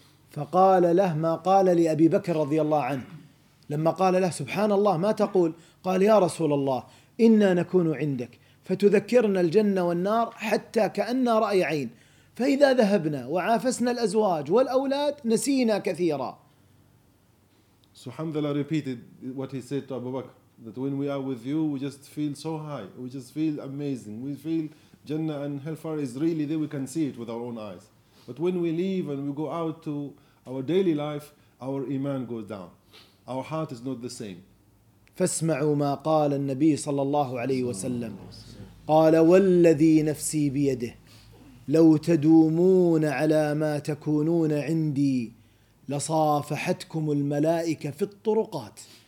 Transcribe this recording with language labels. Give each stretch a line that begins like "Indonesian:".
Arabic: فقال له ما قال لأبي بكر رضي الله عنه. لما قال له سبحان الله ما تقول، قال يا رسول الله إنا نكون عندك فتذكرنا الجنة والنار حتى كأننا رأي عين، فإذا ذهبنا وعافسنا الأزواج والأولاد نسينا كثيرا.
English: So Alhamdulillah repeated what he said to Abu Bakr, that when we are with you we just feel so high, we just feel amazing, we feel Jannah and hellfire is really there, we can see it with our own eyes. But when we leave and we go out to our daily life, our iman goes down. Our heart is not the same.
Arabic: فاسمعوا ما قال النبي صلى الله عليه وسلم. قال والذي نفسي بيده لو تدومون على ما تكونون عندي لصافحتكم الملائكة في الطرقات.